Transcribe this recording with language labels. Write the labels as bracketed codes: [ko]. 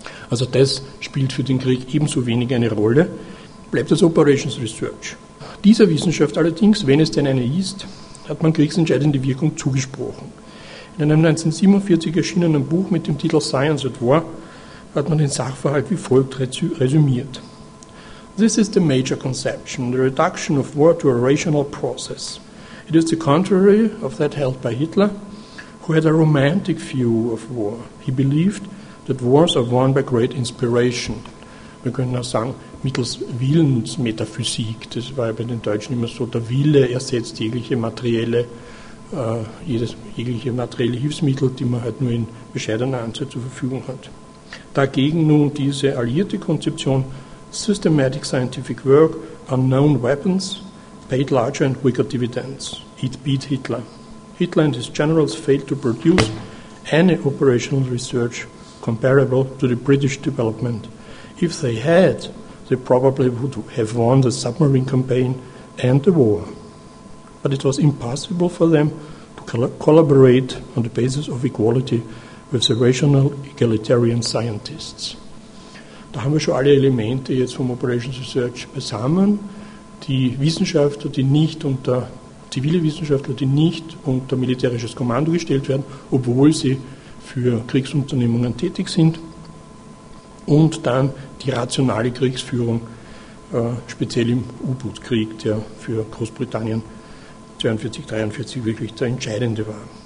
[de] Also das spielt für den Krieg ebenso wenig eine Rolle, bleibt das Operations Research. Dieser Wissenschaft allerdings, wenn es denn eine ist, hat man kriegsentscheidende Wirkung zugesprochen. In einem 1947 erschienenen Buch mit dem Titel Science at War hat man den Sachverhalt wie folgt resümiert. [en] This is the major conception, the reduction of war to a rational process. It is the contrary of that held by Hitler, who had a romantic view of war. He believed that wars are won by great inspiration. [de] Wir können auch sagen, mittels Willensmetaphysik, das war ja bei den Deutschen immer so, der Wille ersetzt jegliche materielle Hilfsmittel, die man halt nur in bescheidener Anzahl zur Verfügung hat. Dagegen nun diese alliierte Konzeption, [en] Systematic Scientific Work, Unknown Weapons, Paid Larger and Weaker Dividends, It Beat Hitler. Hitler and his generals failed to produce any operational research comparable to the British development. If they had, they probably would have won the submarine campaign and the war. But it was impossible for them to collaborate on the basis of equality with the rational egalitarian scientists. [de] Da haben wir schon alle Elemente jetzt vom Operations Research zusammen. Die Wissenschaftler, die nicht unter, zivile Wissenschaftler, die nicht unter militärisches Kommando gestellt werden, obwohl sie für Kriegsunternehmungen tätig sind. Und dann die rationale Kriegsführung, speziell im U-Boot-Krieg, der für Großbritannien 42, 43 wirklich der entscheidende war.